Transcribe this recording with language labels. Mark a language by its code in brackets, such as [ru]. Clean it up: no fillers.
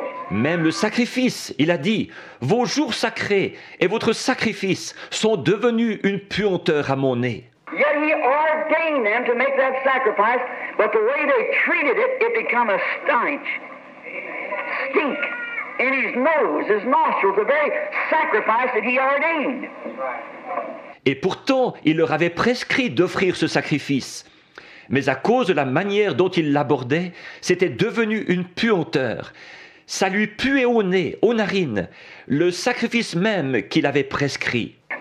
[fr] Même le sacrifice, il a dit, vos jours sacrés et votre sacrifice sont devenus une puanteur à mon nez. [en] Yet he ordained them to make that sacrifice, but the way they treated it, it became a stench, stink in his nose, his nostrils, the very sacrifice that he ordained. [fr] Et pourtant, il leur avait prescrit d'offrir ce sacrifice. Mais à cause de la manière dont il l'abordait, c'était devenu une puanteur. Ça lui puait au nez, aux narines, le sacrifice même qu'il avait prescrit.